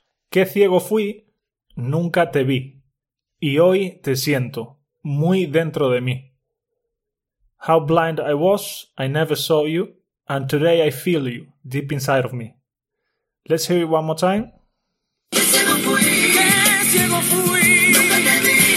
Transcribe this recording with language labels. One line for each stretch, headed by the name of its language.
Spanish: Qué ciego fui, nunca te vi, y hoy te siento, muy dentro de mí.
English: How blind I was, I never saw you, and today I feel you, deep inside of me. Let's hear it one more time.
Spanish: Qué ciego fui, nunca te vi.